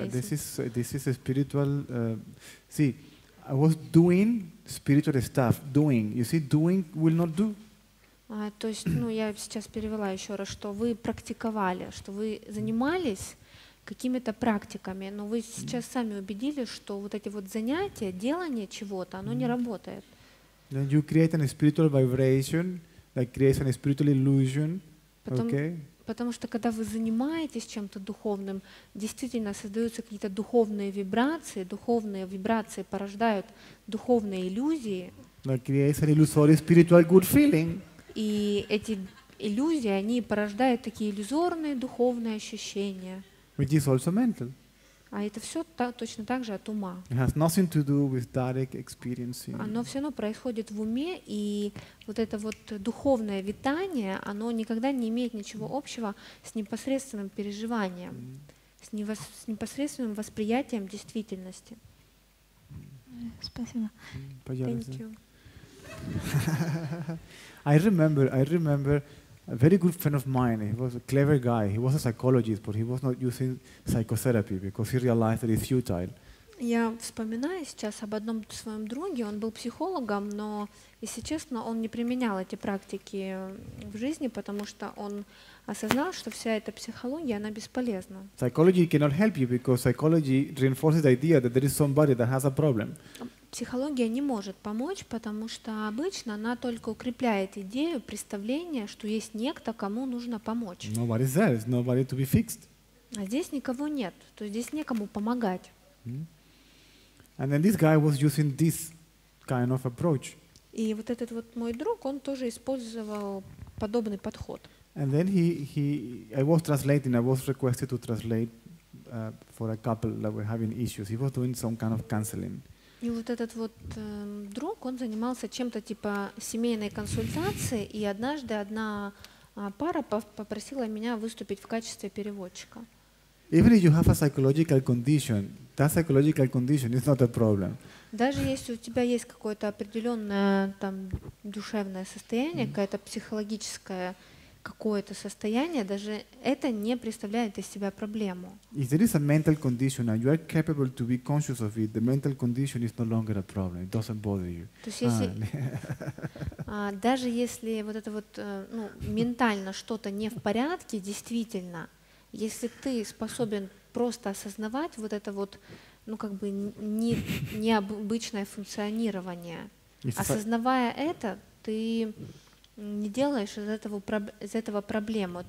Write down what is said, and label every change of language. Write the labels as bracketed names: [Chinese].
[English] Oh, yeah, this is a spiritual... See, I was doing spiritual stuff, doing. You see, doing will not do. [Russian] То есть, ну, я сейчас перевела еще раз, что вы практиковали, что вы занимались... какими-то практиками, но вы сейчас сами убедились, что вот эти вот занятия, делание чего-то, оно не работает. [English] Then you create a spiritual vibration, like creates a spiritual illusion, okay? [Russian] Потому что когда вы занимаетесь чем-то духовным, действительно создаются какие-то духовные вибрации, духовные вибрации порождают духовные иллюзии. [English] Like creates an illusory spiritual good feeling. [Russian] И эти иллюзии, они порождают такие иллюзорные духовные ощущения. [English] Which is also mental. [Russian] А это все точно так же от ума. [English] It has nothing to do with direct experiencing. [Russian] Оно все равно происходит в уме, и вот это вот духовное витание, оно никогда не имеет ничего общего с непосредственным переживанием, с непосредственным восприятием действительности. Спасибо. [English] Thank you. I remember. A very good friend of mine, he was a clever guy, he was a psychologist, but he was not using psychotherapy because he realized that it's futile. [Russian] Я вспоминаю сейчас об одном своем друге, он был психологом, но, если честно, он не применял эти практики в жизни, потому что он осознал, что вся эта психология, она бесполезна. [English] Psychology cannot help you because psychology reinforces the idea that there is somebody that has a problem. [Russian] Психология не может помочь, потому что обычно она только укрепляет идею, представление, что есть некто, кому нужно помочь. [English] Nobody's there. There's nobody to be fixed. [Russian] А здесь никого нет, то есть здесь некому помогать. [English] And then this guy was using this kind of approach. [Russian] И вот этот вот мой друг, он тоже использовал подобный подход. [English] And then I was translating, I was requested to translate for a couple that were having issues. He was doing some kind of counseling. [Russian] И вот этот вот друг, он занимался чем-то типа семейной консультации, и однажды одна пара попросила меня выступить в качестве переводчика. [English] Even if you have a psychological condition, that psychological condition is not a problem. [Russian] Даже если у тебя есть какое-то определенное там душевное состояние, какая-то психологическая, какое-то состояние, даже это не представляет из себя проблему. [English] If there is a mental condition and you are capable to be conscious of it, the mental condition is no longer a problem. It doesn't bother you. [Russian] То есть если, даже если вот это вот ну, ментально что-то не в порядке, действительно, если ты способен просто осознавать вот это вот ну как бы необычное функционирование, осознавая это, ты не делаешь из этого проблему.